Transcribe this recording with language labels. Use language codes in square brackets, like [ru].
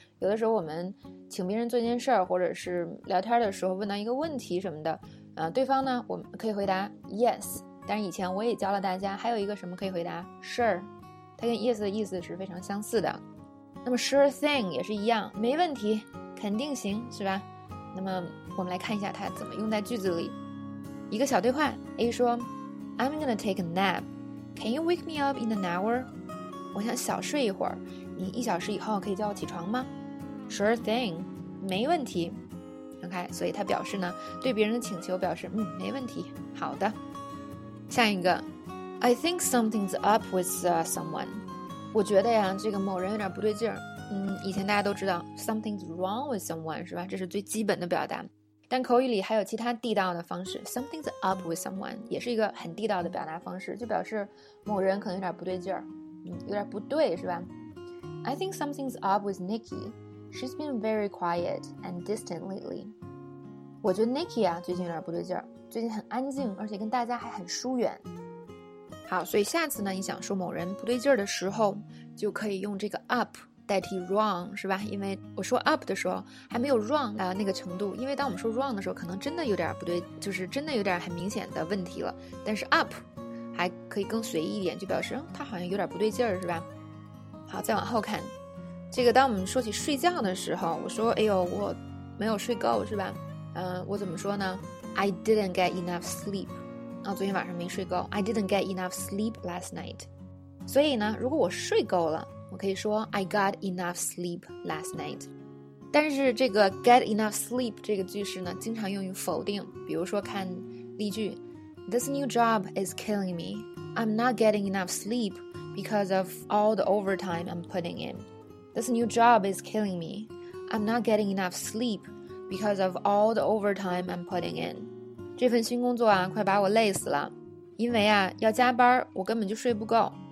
[zh] 有的时候我们请别人做一件事儿，或者是聊天的时候问到一个问题什么的对方呢我们可以回答 yes， 但是以前我也教了大家还有一个什么可以回答 sure， 它跟 yes 的意思是非常相似的。那么 sure thing 也是一样，没问题，肯定行，是吧？那么我们来看一下它怎么用在句子里。一个小对话 ，A 说 [en] ，I'm gonna take a nap. Can you wake me up in an hour? [zh] 我想小睡一会儿，你一小时以后可以叫我起床吗 ？ [en] Sure thing， [zh] 没问题。 OK， 所以它表示呢，对别人的请求表示没问题，好的。下一个 [en] ，I think something's up with someone. [zh] 我觉得呀，这个某人有点不对劲儿。以前大家都知道 [en] something's wrong with someone， [zh] 是吧？这是最基本的表达。但口语里还有其他地道的方式 ，something's up with someone 也是一个很地道的表达方式，就表示某人可能有点不对劲儿，有点不对，是吧 ？ [en] I think something's up with Nikki. She's been very quiet and distant lately. [zh] 我觉得 Nikki 啊，最近有点不对劲儿，最近很安静，而且跟大家还很疏远。好，所以下次呢，你想说某人不对劲儿的时候，就可以用这个 up 代替 wrong， 是吧？因为我说 up 的时候还没有 wrong 那个程度，因为当我们说 wrong 的时候，可能真的有点不对，就是真的有点很明显的问题了。但是 up 还可以更随意一点，就表示他好像有点不对劲儿，是吧？好，再往后看，这个当我们说起睡觉的时候，我说哎呦我没有睡够，是吧？我怎么说呢 [en] ？I didn't get enough sleep。 [zh] 昨天晚上没睡够 [en] I didn't get enough sleep last night [zh] 所以呢如果我睡够了我可以说 [en] I got enough sleep last night [zh] 但是这个 [en] get enough sleep [zh] 这个句式呢经常用于否定比如说看例句 [en] This new job is killing me I'm not getting enough sleep because of all the overtime I'm putting in This new job is killing me I'm not getting enough sleep because of all the overtime I'm putting in [zh] 这份新工作啊快把我累死了因为啊要加班我根本就睡不够